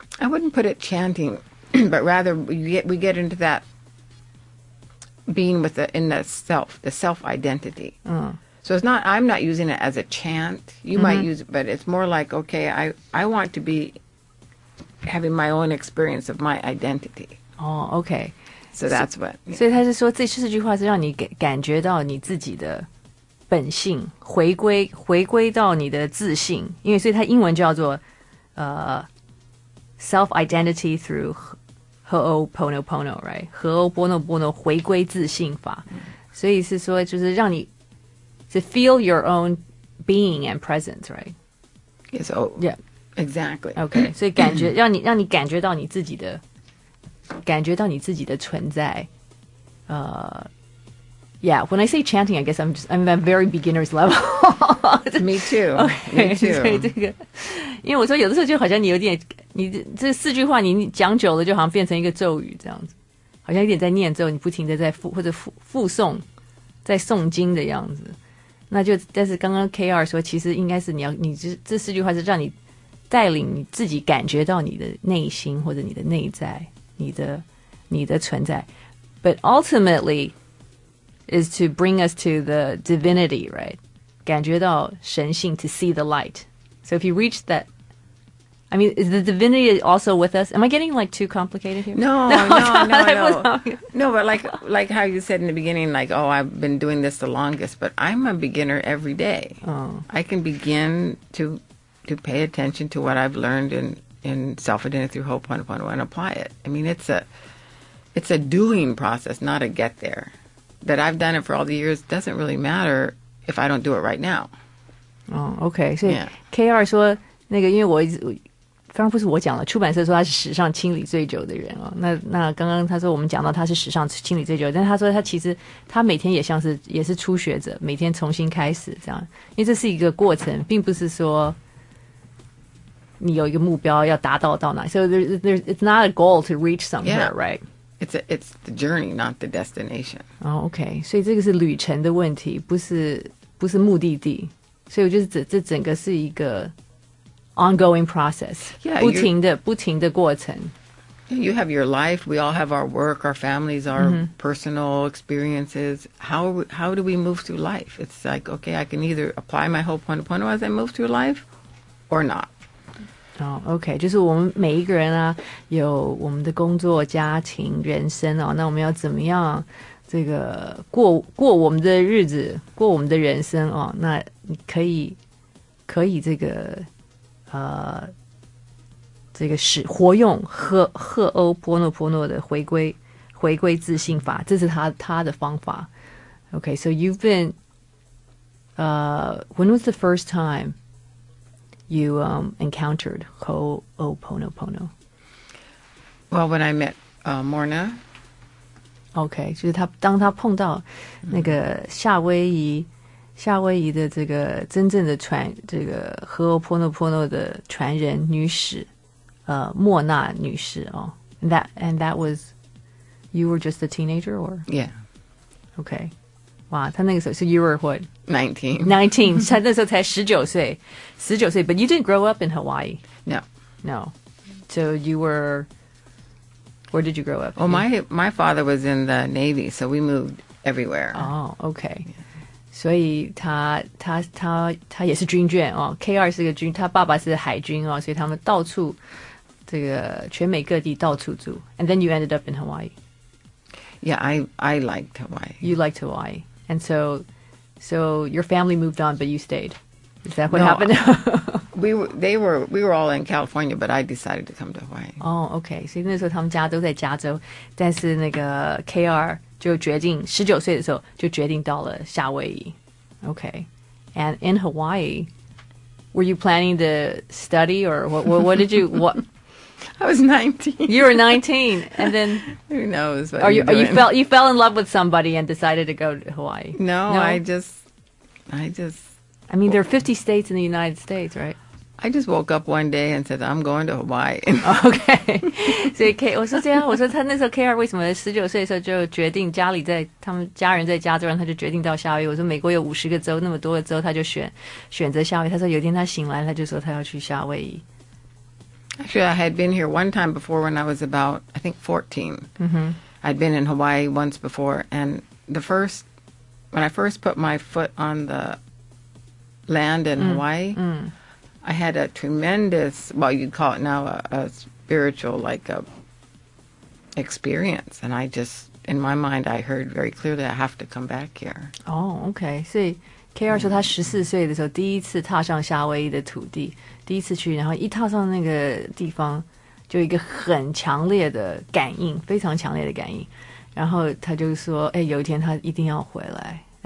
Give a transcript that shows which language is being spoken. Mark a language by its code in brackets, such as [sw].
[en] I wouldn't put it chanting, but rather we get into that being with the self identity. So it's not I'm not using it as a chant. You might use it, but it's more like okay, I want to be having my own experience of my identity. Oh, okay. So that's what. [zh] 所以他是说，这句话是让你感觉到你自己的本性，回归到你的自信。因为所以他英文叫做 [en] self identity through ho'oponopono, right? [zh] Ho'oponopono 回归自信法。所以是说，就是让你 [en] to feel your own being and presence, right? Yes. Yeah. Exactly. Okay. [zh] 所以感觉让你感觉到你自己的。感觉到你自己的存在 [en] yeah, when I say chanting, I guess I'm at very beginner's level. Me too, me too. [zh] Okay, 所以这个，因为我说有的时候就好像你有点，你这四句话你讲久了就好像变成一个咒语这样子，好像有点在念咒，你不停的在复或者复诵，在诵经的样子。那就，但是刚刚 KR 说，其实应该是你这四句话是让你带领你自己感觉到你的内心或者你的内在。你的存在 [en] but ultimately is to bring us to the divinity, right? [zh] 感觉到神性 [en] to see the light. So if you reach that, I mean, is the divinity also with us? Am I getting like too complicated here? No, but like how you said in the beginning, like, oh, I've been doing this the longest, but I'm a beginner every day. Oh. I can begin to pay attention to what I've learned in self-identity through Ho'oponopono and apply it. I mean, it's a doing process, not a get there. That I've done it for all the years doesn't really matter if I don't do it right now. Oh, okay. [zh] So KR 说那个，因为我刚刚不是我讲了，出版社说他是史上清理最久的人哦。那刚刚他说我们讲到他是史上清理最久，但他说他其实他每天也像是也是初学者，每天重新开始这样，因为这是一个过程，并不是说。你有一个目标要达到哪 [en] ？So it's not a goal to reach somewhere, yeah. right? It's the journey, not the destination. Oh, okay. [zh] 所以这个是旅程的问题，不是目的地。所以我觉得这整个是一个 [en] ongoing process， yeah, [zh] 不停的过程。 [en] You have your life. We all have our work, our families, our personal experiences. How do we move through life? It's like okay, I can either apply my Ho'oponopono as I move through life, or not. [zh] 哦、OK, 就是我们每一个人啊有我们的工作家庭人生哦那我们要怎么样这个过我们的日子，过我们的人生哦，那你可以这个这个使活用赫欧波诺波诺的回归自信法，这是他的方法。 [en] Okay, so you've been when was the first time you encountered Ho'oponopono? Well, when I met Morna. [zh] Okay, 就是他当他碰到那个夏威夷的这个真正的传这个 Ho'oponopono 的传人女士，莫娜女士哦。 [en] And that was you were just a teenager, or yeah, okay. [zh] 哇，他那个时候 [en] ，so you were what? 19， [zh] 他那时候才十九岁。 [en] But you didn't grow up in Hawaii. No. So you were. Where did you grow up? Well, my father was in the Navy, so we moved everywhere. [zh] Oh, okay. 所以他也是军眷哦。 K2是个军，他爸爸是海军哦，所以他们到处这个全美各地到处住。 [en] And then you ended up in Hawaii. Yeah, I liked Hawaii. You liked Hawaii. And so your family moved on, but you stayed. Is that what happened? we were all in California, but I decided to come to Hawaii. Oh, okay. [zh] 所以那时候他们家都在加州，但是那个 KR 就决定十九岁的时候就决定到了夏威夷。 [en] Okay. And in Hawaii, were you planning to study or what did you what? I was 19. You were 19, and then who knows? Are you? You fell in love with somebody and decided to go to Hawaii? No. I just. I mean, there are 50 states in the United States, right? I just woke up one day and said, "I'm going to Hawaii." Okay. [zh] 所以 K， 我说这样，我说他那时候 KR 为什么十九岁的时候就决定家里在他们家人在加州，然后他就决定到夏威夷。我说美国有50个州，那么多的州，他就选择夏威夷。他说有一天他醒来，他就说他要去夏威夷。 [en] Actually, I had been here one time before when I was about, I think, 14. Mm-hmm. I'd been in Hawaii once before. And the first, when I first put my foot on the land in Hawaii, I had a tremendous, well, you'd call it now a spiritual, like, a experience. And I just, in my mind, I heard very clearly, I have to come back here. Oh, okay. [zh] So, K2 说他14岁的时候第一次踏上夏威夷的土地。第一次去，然后一踏上那个地方，就一个很强烈的感应，非常强烈的感应。然后他就说：“哎，有一天他一定要回来。”